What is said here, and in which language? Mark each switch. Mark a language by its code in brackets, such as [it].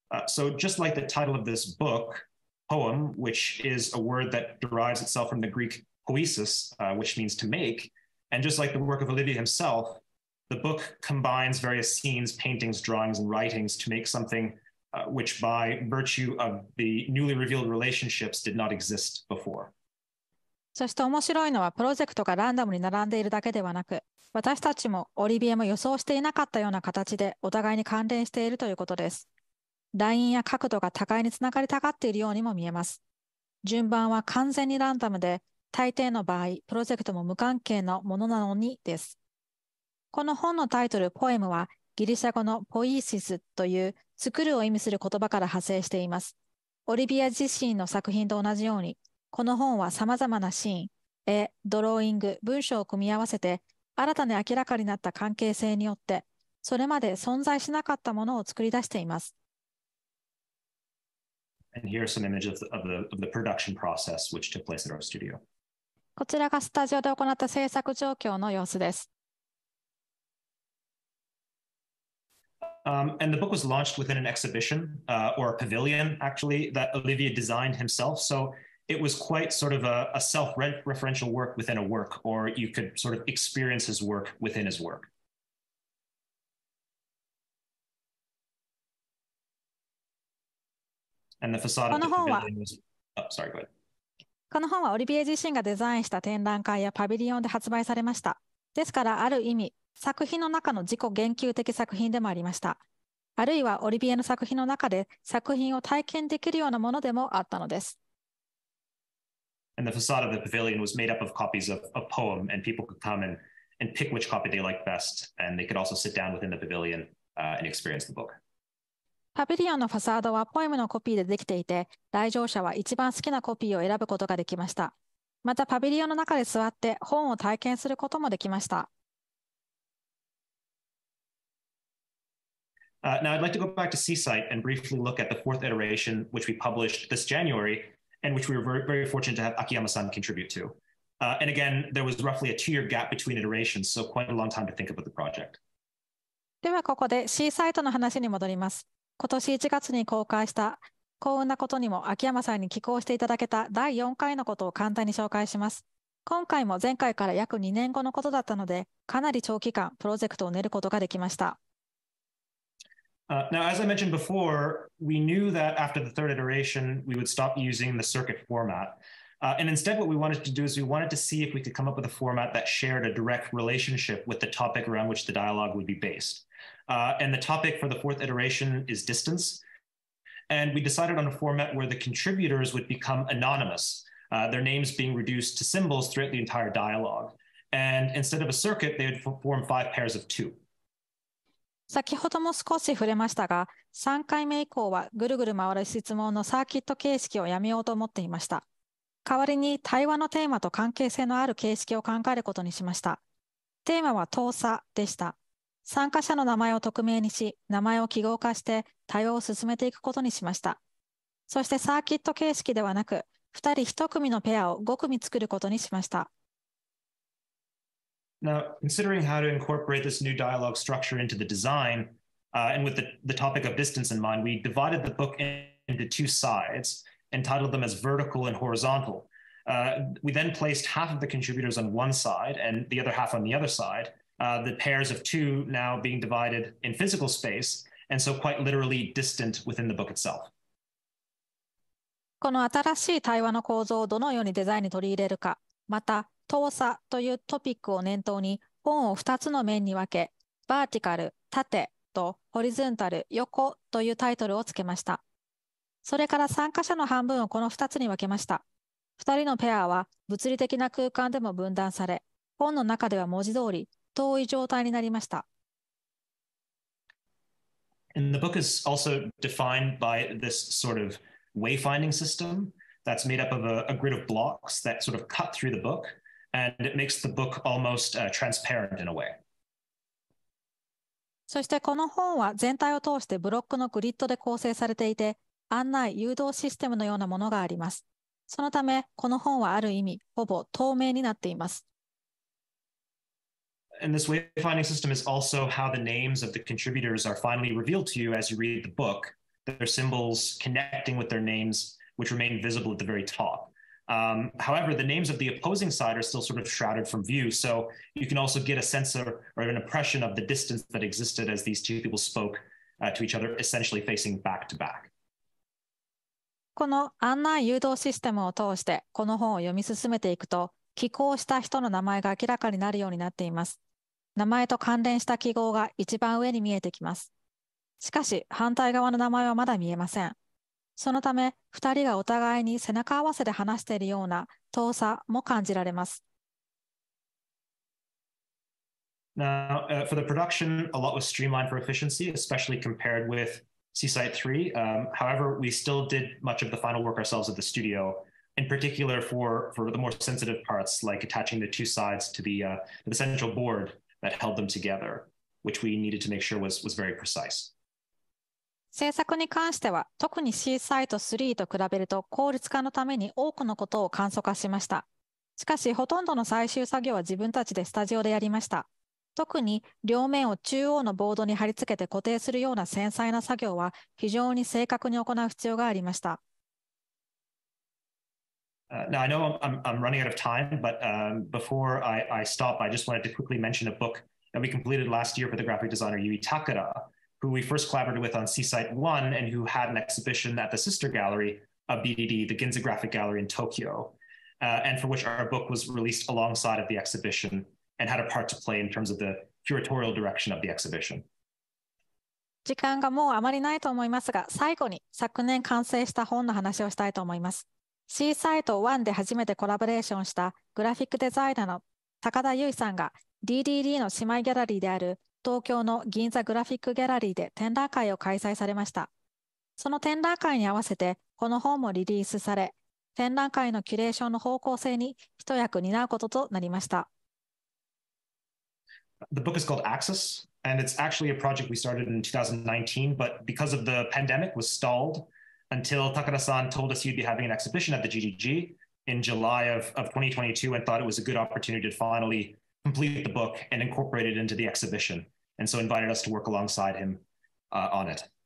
[en] So just like the title of this book,poem, which is a word that derives itself from the Greek poesis, which means to make. And just like the work of Olivia himself, the book combines various scenes, paintings, drawings, and writings to make something which by virtue of the newly revealed relationships did not exist before. [ja] そして面白いのはプロジェクトがランダムに並んでいるだけではなく、私たちもオリビエも予想していなかったような形でお互いに関連しているということです。ラインや角度が互いにつながりたがっているようにも見えます。順番は完全にランダムで、大抵の場合、プロジェクトも無関係のものなのにです。この本のタイトル、ポエムは、ギリシャ語のポイーシスという作るを意味する言葉から派生しています。オリビア自身の作品と同じように、この本は様々なシーン、絵、ドローイング、文章を組み合わせて新たに明らかになった関係性によって、それまで存在しなかったものを作り出しています。 [en] And here are some images of the production process which took place at our studio. [ja] こちらがスタジオで行った制作状況の様子です。 [en] And the book was launched within an exhibition, or a pavilion actually, that Olivier designed himself. So it was quite sort of a self-referential work within a work, or you could sort of experience his work within his work. And the facade [ja] この本は、この本はオリビエ自身がデザインした展覧会やパビリオンで発売されました。ですから、ある意味、作品の中の自己言及的作品でもありました。あるいは、オリビエの作品の中で作品を体験できるようなものでもあったのです。 [en] And the facade of the pavilion was made up of copies of a poem, and people could come and pick which copy they liked best, and they could also sit down within the pavilion, and experience the book. [ja] パビリオンのファサードはポエムのコピーでできていて、来場者は一番好きなコピーを選ぶことができました。またパビリオンの中で座って本を体験することもできました。 [en] Now I'd like to go back to Seasite and briefly look at the fourth iteration which we published this January and which we were very, very fortunate to have Akiyama-san contribute to. And again, there was roughly a two-year gap between iterations, so quite a long time to think about the project. [ja] ではここで Seasite の話に戻ります。今年1月に公開した、幸運なことにも秋山さんに寄稿していただけた第4回のことを簡単に紹介します。今回も前回から約2年後のことだったので、かなり長期間プロジェクトを練ることができました。 [en] Now, as I mentioned before, we knew that after the third iteration, we would stop using the circuit format. And instead, what we wanted to do is we wanted to see if we could come up with a format that shared a direct relationship with the topic around which the dialogue would be based. And the topic for the fourth iteration is distance. And we decided on a format where the contributors would become anonymous, their names being reduced to symbols throughout the entire dialogue. And instead of a circuit, they would form five pairs of two. [ja] 先ほども少し触れましたが、3回目以降はぐるぐる回る質問のサーキット形式をやめようと思っていました。代わりに対話のテーマと関係性のある形式を考えることにしました。テーマは遠さでした。参加者の名前を匿名にし、名前を記号化して対話を進めていくことにしました。そしてサーキット形式ではなく、2人1組のペアを5組作ることにしました。 [en] Now, considering how to incorporate this new dialogue structure into the design, and with the topic of distance in mind, we divided the book into two sides and titled them as vertical and horizontal. We then placed half of the contributors on one side and the other half on the other side. The pairs of two now being divided in physical space, and so quite literally distant within the book itself. [ja] この新しい対話の構造をどのようにデザインに取り入れるか、また、遠さというトピックを念頭に、本を2つの面に分け、バーティカル、縦と、ホリゾンタル、横というタイトルをつけました。それから参加者の半分をこの2つに分けました。2人のペアは物理的な空間でも分断され、本の中では文字通り、遠い状態になりました。 [en] And the book is also defined by this sort of wayfinding system that's made up of a grid of blocks that sort of cut through the book, and it makes the book almost transparent in a way. [ja] そしてこの本は全体を通してブロックのグリッドで構成されていて、案内誘導システムのようなものがあります。そのためこの本はある意味ほぼ透明になっています。 [en] And this wayfinding system is also how the names of the contributors are finally revealed to you as you read the book, their symbols connecting with their names, which remain visible at the very top. However, the names of the opposing side are still sort of shrouded from view, so you can also get a sense of, or an impression of the distance that existed as these two people spoke to each other, essentially facing back to back. [ja] この案内誘導システムを通してこの本を読み進めていくと、寄稿した人の名前が明らかになるようになっています。名前と関連した記号が一番上に見えてきます。しかし、反対側の名前はまだ見えません。そのため、2人がお互いに背中合わせで話しているような遠さも感じられます。 [en] Now, for the production, a lot was streamlined for efficiency, especially compared with Seaside 3. However, we still did much of the final work ourselves at the studio, in particular for the more sensitive parts, like attaching the two sides to the central board that held them together, which we needed to make sure was very precise. [ja] 制作に関しては、特にシーサイト3と比べると効率化のために多くのことを簡素化しました。しかし、ほとんどの最終作業は自分たちでスタジオでやりました。特に両面を中央のボードに貼り付けて固定するような繊細な作業は非常に正確に行う必要がありました。 [en] Now, I know I'm running out of time, but before I stop, I just wanted to quickly mention a book that we completed last year for the graphic designer Yui Takara, who we first collaborated with on Seaside 1 and who had an exhibition at the sister gallery of DDD, the Ginza Graphic Gallery in Tokyo, and for which our book was released alongside of the exhibition and had a part to play in terms of the curatorial direction of the exhibition. [ja] 時間がもうあまりないと思いますが、最後に昨年完成した本の話をしたいと思います。シーサイト1で初めてコラボレーションしたグラフィックデザイナーの高田由衣さんが DDD の姉妹ギャラリーである東京の銀座グラフィックギャラリーで展覧会を開催されました。その展覧会に合わせてこの本もリリースされ、展覧会のキュレーションの方向性に一役担うこととなりました。 [en] The book is called Axis, and it's actually a project we started in 2019, but because of the pandemic was stalled until Takara-san told us he'd be having an exhibition at the GDG in July of 2022 and thought it was a good opportunity to finally complete the book and incorporate it into the exhibition, and so invited us to work alongside him on it.